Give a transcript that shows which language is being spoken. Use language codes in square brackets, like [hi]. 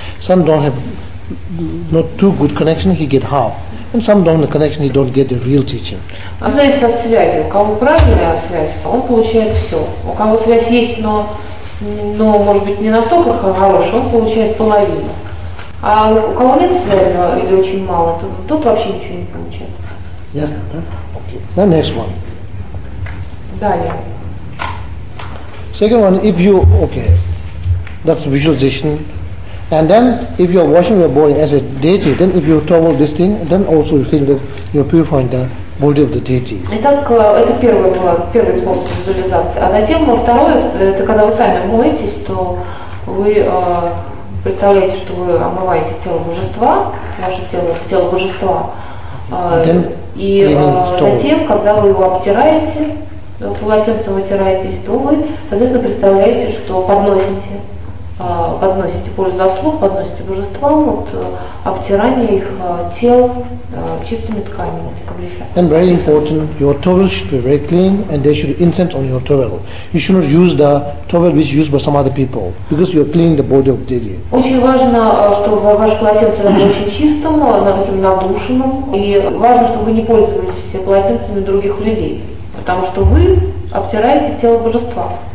[en] Some don't have not too good connection, he get half. And some don't have a connection, he don't get the real teaching. [ru] Это зависит от связи. У кого правильная связь, он получает все. У кого связь есть, но может быть не настолько хорошая, он получает половину. А у кого нет связи или очень мало, то тот вообще ничего не получает. Ясно, да? Окей. [en] Now next one. [ru] Далее. [en] Second one, if you, okay, that's visualization, And then, if you are washing your body as a deity, then if you trouble this thing, then also you feel that you are purifying the body of the deity. [ru] Итак, это первое было, первый способ визуализации. А затем, во второе, это когда вы сами моетесь, то вы представляете, что вы омываете тело божества, ваше тело, тело божества. И затем, когда вы его обтираете, полотенцем вытираетесь, то вы, соответственно, представляете, что подносите, подносите пользу заслуг, подносите божествам, вот, обтирание их тел чистыми тканями. [en] And very important, your towel should be very clean, and there should be incense on your towel. You should not use the towel which is used by some other people, because you are cleaning the body of deity. [ru] Очень важно, чтобы ваше полотенце было очень чистым, таким надушенным, и важно, чтобы вы не пользовались полотенцами других людей, потому что вы обтираете тело божества.